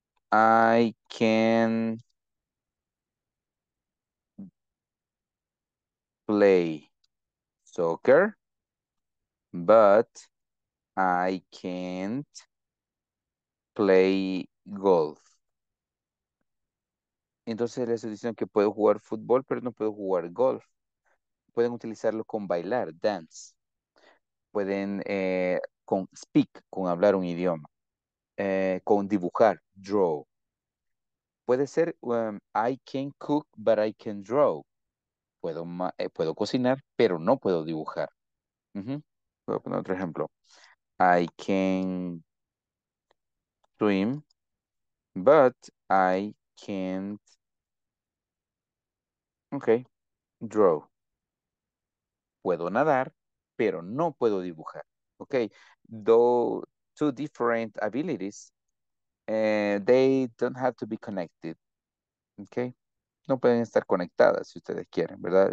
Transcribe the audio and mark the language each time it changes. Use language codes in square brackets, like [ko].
[en] I can play soccer, but I can't play golf. [es] Entonces les dicen que puedo jugar fútbol, pero no puedo jugar golf. Pueden utilizarlo con bailar, dance. Pueden con speak, con hablar un idioma. Con dibujar, draw. [en] Puede ser, I can cook, but I can draw. [es] Puedo cocinar, pero no puedo dibujar. Uh-huh. Voy a poner otro ejemplo. [en] I can swim, but I can't draw. [es] Puedo nadar, pero no puedo dibujar. Ok. [en] Two different abilities, they don't have to be connected. Ok. [es] No pueden estar conectadas si ustedes quieren, ¿verdad?